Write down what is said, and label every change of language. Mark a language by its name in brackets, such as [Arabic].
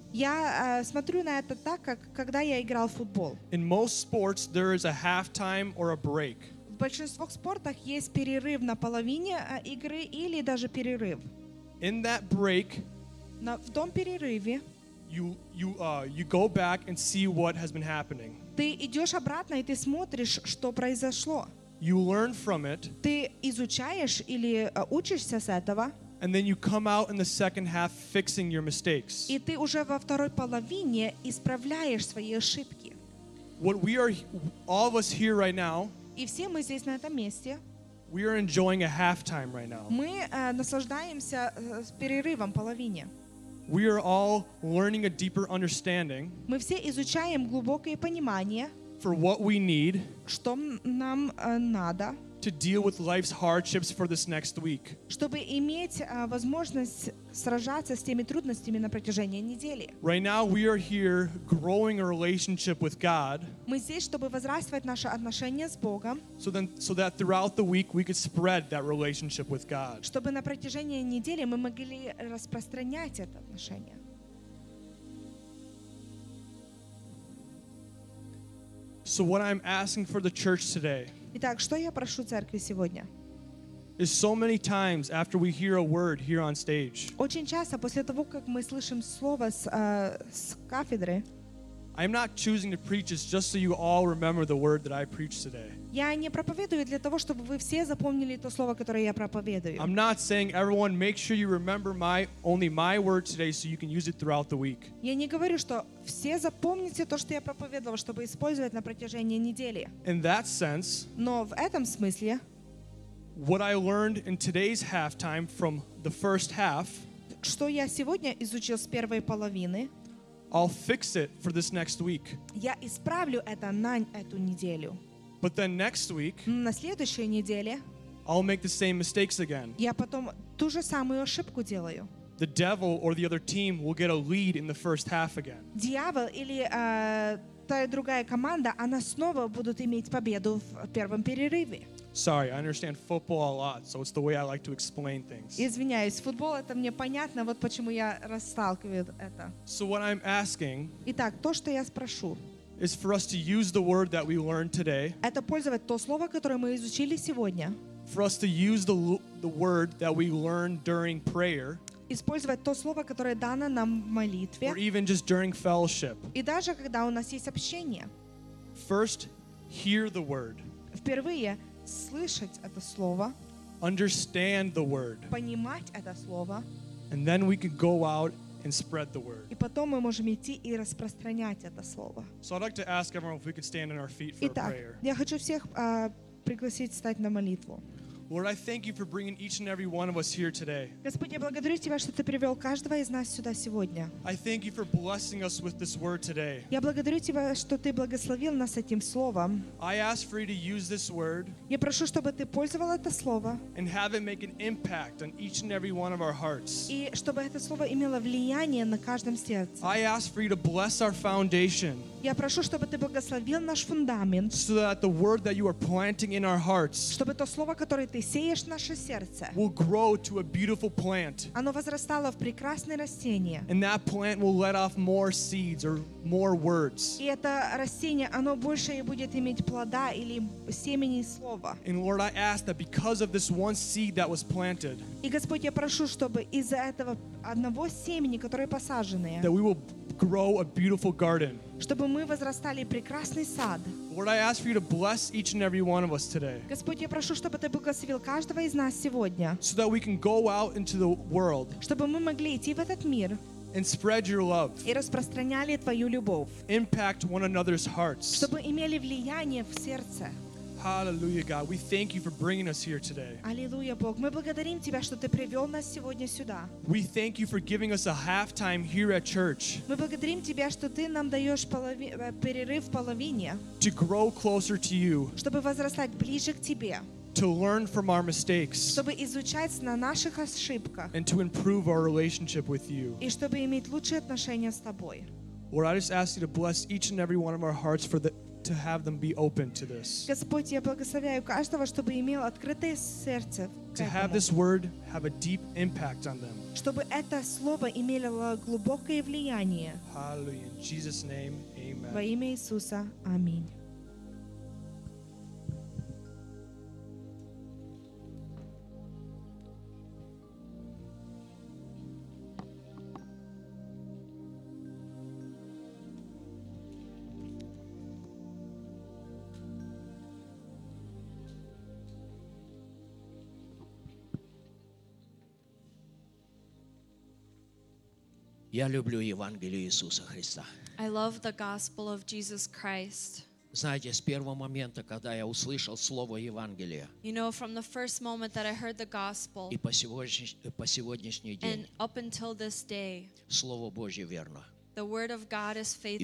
[Russian] Я смотрю на это так, как когда я играл в футбол. [English] In most sports, there is a halftime or a break. [Russian] В большинстве спортах есть перерыв на половине игры или даже перерыв. [English] In that break. [Russian] В том перерыве [English] you go back and see what has been happening. [Russian] Ты идешь обратно и ты смотришь, что произошло. [English] You learn from it. [Russian] Ты изучаешь или учишься с этого. [English] and then you come out in the second half fixing your mistakes. [Ukrainian] І ти уже во второй половині исправляєш свої ошибки. [English] What we are, all of us here right now, [Ukrainian] і всі ми здесь на цьому місці, [English] we are enjoying a halftime right now. [Ukrainian] Ми наслаждаємося перерывом половини. [English] We are all learning a deeper understanding. [Ukrainian] Ми всі изучаємо [Russian] глубокое понимание. [English] For what we need. [Ukrainian] Що нам надо. [English] To deal with life's hardships for this next week. [Russian] Чтобы иметь возможность сражаться с теми трудностями на протяжении недели. [English] Right now we are here growing a relationship with God. [Russian] Мы здесь, чтобы возрастать наши отношения с Богом. [English] So that throughout the week we could spread that relationship with God. [Russian] Чтобы на протяжении недели мы могли распространять это отношение. [English] So what I'm asking for the church today. [Russian] Итак, что я прошу церкви сегодня? [English] Is so many times after we hear a word here on stage. [Russian] Очень часто после того, как мы слышим слово с кафедры. [English] I'm not choosing to preach it just so you all remember the word that I preach today. [Russian] Я не проповедую для того, чтобы вы все запомнили то слово, которое я проповедую. [English] I'm not saying everyone make sure you remember only my word today so you can use it throughout the week. [Russian] Я не говорю, что все запомните то, что я проповедовал, чтобы использовать на протяжении недели. [English] In that sense, [Russian] но в этом смысле, [English] what I learned in today's halftime from the first half, [Russian] что я сегодня изучил с первой половины, [English] I'll fix it for this next week. [Russian] Я исправлю это на эту неделю. [English] But then next week, [Russian] на следующей неделе, [English] I'll make the same mistakes again. [Russian] Я потом ту же самую ошибку делаю. [English] The devil or the other team will get a lead in the first half again. [Russian] Дьявол или та другая команда, она снова будут иметь победу в первом перерыве. [English] Sorry, I understand football a lot, so it's the way I like to explain things. [Russian] Извиняюсь, футбол это мне понятно, вот почему я расталкиваю это. [English] So what I'm asking. [Russian] Итак, то, что я спрошу. [English] Is for us to use the word that we learned today. [Russian] Это использовать то слово, которое мы изучили сегодня. [English] For us to use the word that we learned during prayer. [Russian] Использовать то слово, которое дано нам в молитве. [English] Or even just during fellowship. [Russian] И даже когда у нас есть общение. [English] First, hear the word. [Russian] Впервые слышать это слово. [English] Understand the word. [Russian] Понимать это слово. [English] And then we can go out and spread the word. [Russian] И потом мы можем идти и распространять это слово. [English] So I'd like to ask everyone if we could stand on our feet for [Russian] Итак, Итак, я хочу всех пригласить встать на молитву. [English] Lord, I thank you for bringing each and every one of us here today. [Russian] Господи, я благодарю тебя, что ты привел каждого из нас сюда сегодня. [English] I thank you for blessing us with this word today. [Russian] Я благодарю тебя, что ты благословил нас этим словом. [English] I ask for you to use this word. [Russian] Я прошу, чтобы ты пользовал это слово. [English] And have it make an impact on each and every one of our hearts. [Russian] И чтобы это слово имело влияние на каждом сердце. [English] I ask for you to bless our foundation. [Russian] Я прошу, чтобы ты благословил наш фундамент. [English] So that the word that you are planting in our hearts. [Russian] Чтобы то слово, которое ты сеешь в наше сердце. [English] Will grow to a beautiful plant. [Russian] Оно возрастало в прекрасное растение. [English] And that plant will let off more seeds or more words. [Russian] И это растение, оно больше будет иметь плода или семени слова. [English] And Lord, I ask that because of this one seed that was planted. [Russian] И Господь, я прошу, чтобы из-за этого одного семени, которое посаженное. [English] That we will grow a beautiful garden. [Russian] Чтобы мы возрастали прекрасный сад. [English] Lord, I ask for you to bless each and every one of us today. [Russian] Господь, я прошу, чтобы ты благословил каждого из нас сегодня. [English] So that we can go out into the world. [Russian] Чтобы мы могли идти в этот мир. [English] And spread your love. [Russian] И распространяли твою любовь. [English] Impact one another's hearts. [Russian] Чтобы имели влияние в сердце. [English] Hallelujah, God. We thank you for bringing us here today. [Russian] Аллилуйя, Бог. Мы благодарим тебя, что ты привел нас сегодня сюда. [English] We thank you for giving us a halftime here at church. [Russian] Мы благодарим тебя, что ты нам даешь перерыв в половине. [English] To grow closer to you. [Russian] Чтобы возрастать ближе к тебе. [English] To learn from our mistakes. [Russian] Чтобы изучать на наших ошибках. [English] And to improve our relationship with you. [Russian] И чтобы иметь лучшие отношения с тобой. [English] Lord, I just ask you to bless each and every one of our hearts for the to have them be open to this. [Russian] Господь, я благословляю каждого, чтобы имел открытое сердце. [English] To have this word have a deep impact on them. [Russian] Чтобы это слово имело глубокое влияние. [English] Hallelujah. In Jesus' name, amen. [Russian] Во имя Иисуса, аминь. Я люблю Евангелие Иисуса Христа. [English] I love the gospel of Jesus Christ. [Russian] Знаете, с первого момента, когда я услышал слово Евангелия, [English] you know, from the first moment that I heard the gospel, [Russian] и по сегодняшний день, [English] and up until this day, [Russian] слово Божье верно, [English] the word of God is faithful,